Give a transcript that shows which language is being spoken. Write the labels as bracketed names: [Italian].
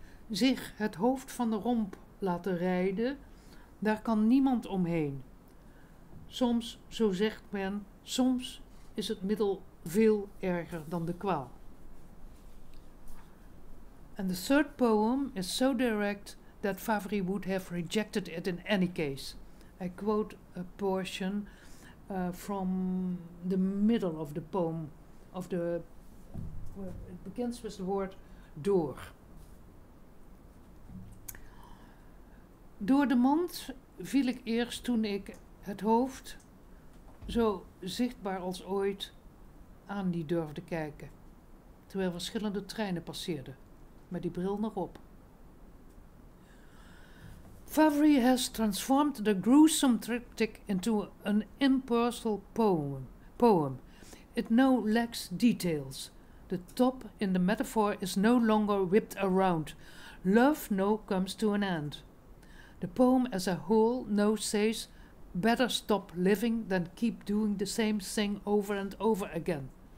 [Dutch] Zich het hoofd van de romp laten rijden, daar kan niemand omheen. Soms, zo zegt men, soms is het middel veel erger dan de kwaal. [English] And the third poem is so direct that Favry would have rejected it in any case. I quote a portion from the middle of the poem, of the, well, it begins with the word door. [Dutch] Door de mand viel ik eerst toen ik het hoofd, zo zichtbaar als ooit, aan die durfde kijken, terwijl verschillende treinen passeerden, met die bril nog op. [English] Favry has transformed the gruesome triptych into an impersonal poem. It now lacks details. The top in the metaphor is no longer whipped around. Love now comes to an end. The poem as a whole now says, better stop living than keep doing the same thing over and over again.